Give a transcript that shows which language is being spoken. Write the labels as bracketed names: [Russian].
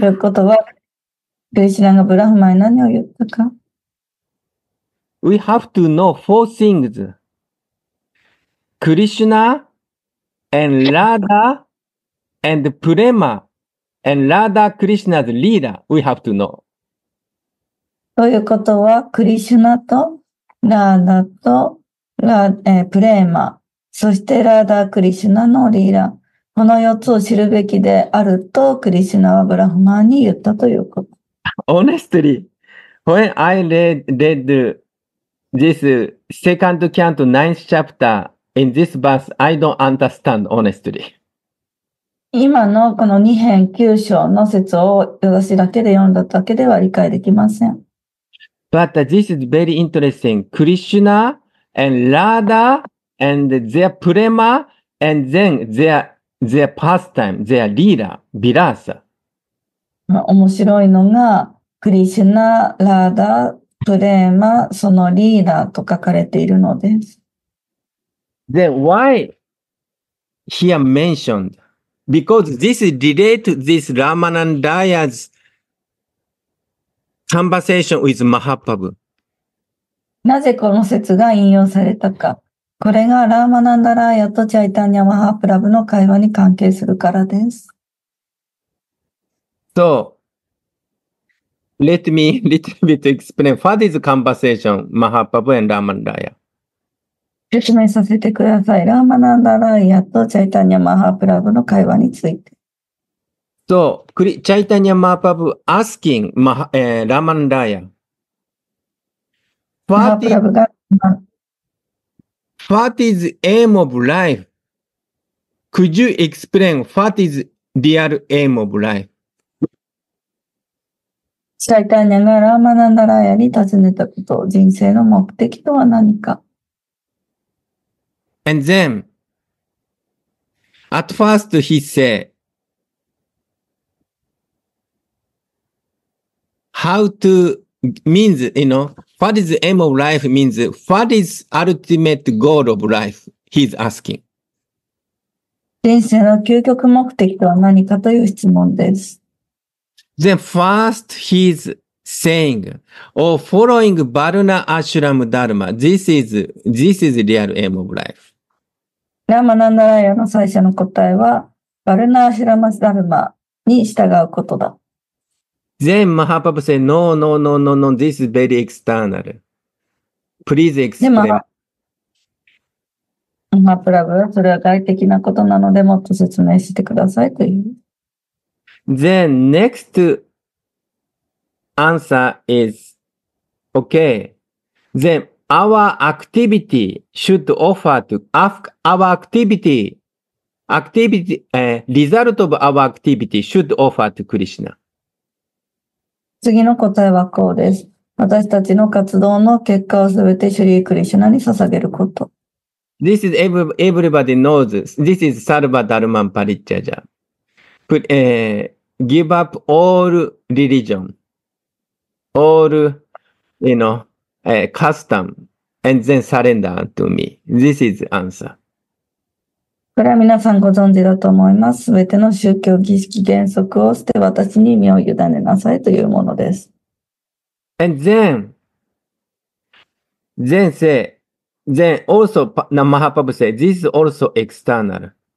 [Japanese] ということは、Krishna がブラフマに何を言ったか [English] ?We have to know four things. Krishna,And Radha and Prema and Radha Krishna's leader, we have to know. [Japanese] ということは、クリシュナとラーダとラ、プレーマ、そしてラーダ・クリシュナのリーダー、この4つを知るべきであると、クリシュナはブラフマーに言ったということ。 [English] Honestly, when I read this second canto, ninth chapter,In this verse, I don't understand, honestly. [Japanese] 今のこの2編9章の説を私だけで読んだだけでは理解できません。 [English] But this is very interesting. Krishna and Radha and their Prema and then their pastime, their leader, Vilasa. [Japanese] 面白いのが、Krishna, Radha, Prema, そのリーダーと書かれているのです。 [English] Then why here mentioned? Because this is related to this Ramanandaya's conversation with Mahaprabhu. [Japanese] なぜこの説が引用されたか。これがラーマナンダラーヤとチャイタニア・マハプラブの会話に関係するからです。 [English] So, let me little bit explain what is conversation Mahaprabhu and Ramanandaya. [Japanese] 説明させてください。ラーマナンダライアとチャイタニアマハプラブの会話について。 [English] So, チャイタニアマハプラブ asking ラーマナンダライア。 [Japanese] マハプラブが、 [English] What is aim of life? Could you explain what is real aim of life? [Japanese] チャイタニアがラーマナンダライアに尋ねたこと、人生の目的とは何か。 [English] And then, at first he said, how to means, you know, what is the aim of life means, what is ultimate goal of life, he's asking. [Japanese] 人生の究極目的とは何かという質問です。 [English] Then first he's saying, oh, following Varuna Ashram Dharma, this is real aim of life. [Japanese] ラマナンダライアの最初の答えは、バルナーシラマスダルマに従うことだ。 [English] Then Mahaprabhu said, no, no, no, no, no, this is very external. Please explain. [Japanese] Mahaprabhu はそれは外的なことなのでもっと説明してくださいという。 [English] Then next answer is, okay, then,result of our activity should offer to Krishna. [Japanese] 次の答えはこうです。私たちの活動の結果をすべてシュリー・クリシュナに捧げること。 [English] This is everybody knows. This is Sarva Dharma Parichaya. Give up all religion, all, you know, custom. And then surrender to me. This is the answer. [Japanese] これは皆さんご存知だと思います。すべての宗教儀式原則を捨て私に身を委ねなさいというものです。 [English] And then also Mahaprabhu said, this is also external.